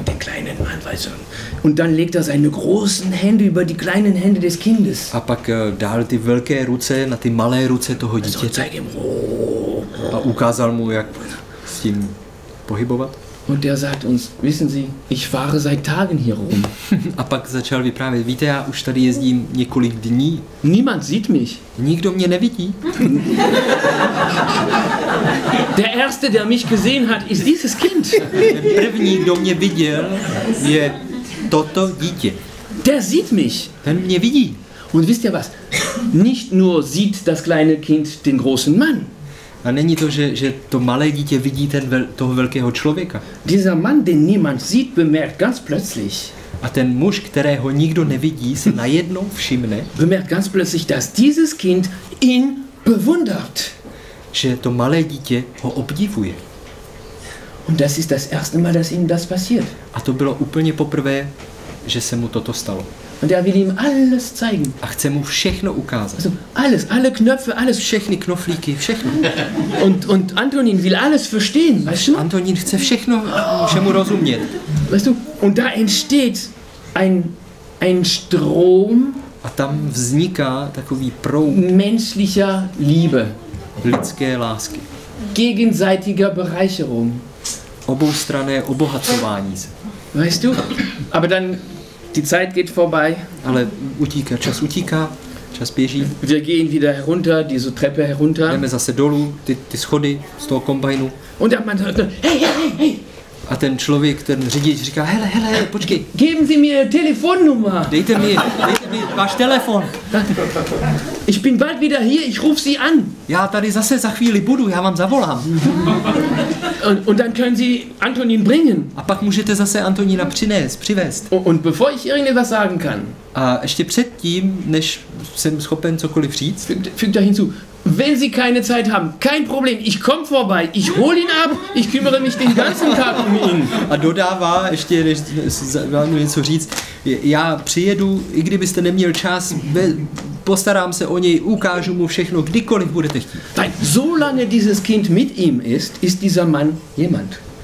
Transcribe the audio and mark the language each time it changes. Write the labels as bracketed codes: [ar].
[de] Den kleinen Mann, weißt du. Und dann legt er seine großen Hände über die kleinen Hände des Kindes. [cs] A pak dál ty velké ruce na ty malé ruce toho dítěte. [de] Also, zeig ihm. [cs] A ukázal mu, jak s tím pohybovat. [de] Und der sagt uns, wissen Sie, ich fahre seit Tagen hier rum. [cs] A pak začal vyprávět, víte, já už tady jezdím několik dní. [de] Niemand sieht mich. [cs] Nikdo mě nevidí. [de] Der erste, der mich gesehen hat, ist dieses Kind. [cs] První, kdo mě viděl, je toto dítě. [de] Der sieht mich. [cs] Ten mě vidí. [de] Und wisst ihr was? nicht nur sieht das kleine Kind den großen Mann. [cs] A není to, že to malé dítě vidí ten toho velkého člověka. [de] Dieser Mann, den niemand sieht, bemerkt ganz plötzlich. [cs] A ten muž, kterého nikdo nevidí, se najednou všimne. [de] Bemerkt ganz plötzlich, dass dieses Kind ihn bewundert. [cs] Že to malé dítě ho obdivuje. [de] Und das ist das erste Mal, dass ihm das passiert. [cs] A to bylo úplně poprvé, že se mu toto stalo. [de] Und er will ihm alles zeigen. [cs] A chce mu všechno ukázat. [de] Also alles, alle Knöpfe, alles. [cs] Všechny knoflíky, všechno. [de] Und Antonin will alles verstehen, weißt du? [cs] Antonin chce všechno, všemu rozumět. [de] Weißt du? Und da entsteht ein Strom. [cs] A tam vzniká takový proud. [de] Menschlicher Liebe. [cs] Lidské lásky. [de] Gegenseitiger Bereicherung. [cs] Oboustranné obohacování se. [de] Weißt du? Aber dann die Zeit geht vorbei. [cs] Ale utíká, čas utíká, čas běží. [de] Wir gehen wieder herunter, diese Treppe herunter. [cs] Jdeme zase dolů, ty schody z toho kombajnu. [de] Und der Mann sagt, hey. [cs] A ten člověk, ten řidič, říká, hele, počkej. [de] Geben Sie mir Telefonnummer. [cs] Dejte mi váš telefon. [de] Ich bin bald wieder hier, ich rufe Sie an. [cs] Já tady zase za chvíli budu, já vám zavolám. [de] Und dann können Sie Antonin bringen. [cs] A pak můžete zase Antonina přivést. [de] Und bevor ich irgendetwas sagen kann. [cs] A ještě předtím, než jsem schopen cokoliv říct. [de] Fügt da hinzu. Wenn Sie keine Zeit haben, kein Problem, ich komme vorbei, ich hole ihn ab, ich kümmere mich den ganzen Tag um ihn. [cs] A dodává, ještě než vám něco říct, já přijedu, i kdybyste neměl čas, postarám se o něj, ukážu mu všechno, kdykoliv budete chtít. [de] Nein, solange dieses Kind mit ihm ist, ist dieser Mann jemand.